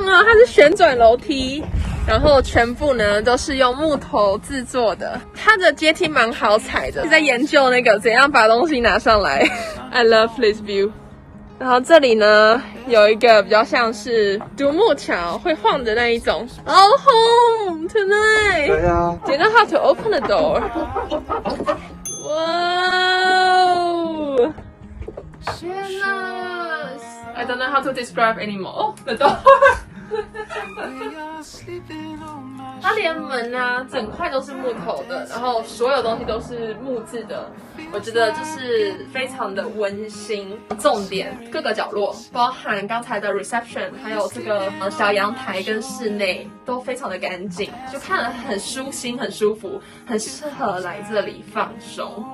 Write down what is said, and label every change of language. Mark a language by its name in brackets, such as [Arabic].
[Chinese] 棒哦，它是旋转楼梯，然后全部呢都是用木头制作的，它的阶梯蛮好踩的，在研究那个怎样把东西拿上来。 [English] I love this view。 [Chinese] 然后这里呢有一个比较像是独木桥会晃的那一种。 [English] Oh, home tonight。 [Chinese] 对啊， [English] Do you know how to open the door? [Chinese] 哇，天哪， [English] I don't know how to describe anymore. Oh, the door. [Chinese] 它连门啊整块都是木头的，然后所有东西都是木质的，我觉得就是非常的温馨。重点各个角落包含刚才的 reception 还有这个小阳台跟室内都非常的干净，就看得很舒心很舒服，很适合来这里放松。